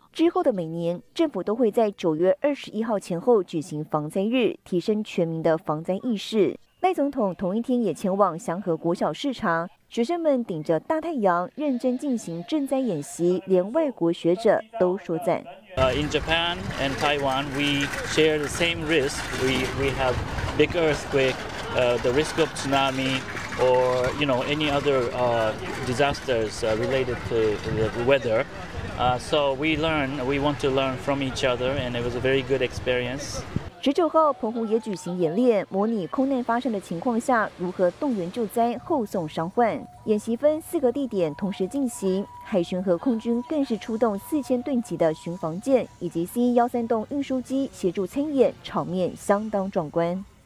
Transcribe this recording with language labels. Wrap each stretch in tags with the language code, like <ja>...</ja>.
<zh>之后的每年，政府都会在9月21号前后举行防灾日，提升全民的防灾意识。赖总统同一天也前往祥和国小视察，学生们顶着大太阳认真进行赈灾演习，连外国学者都说赞。</zh> <en>In Japan and Taiwan, we share the same risk. We have big earthquake, the risk of tsunami, or you know any other disasters related to the weather. So we learn. We want to learn from each other, and it was a very good experience.</en> <zh>19号，澎湖也举行演练，模拟空难发生的情况下如何动员救灾、后送伤患。演习分四个地点同时进行，海巡和空军更是出动4000吨级的巡防舰以及 C-130 栋运输机协助参演，场面相当壮观。</zh>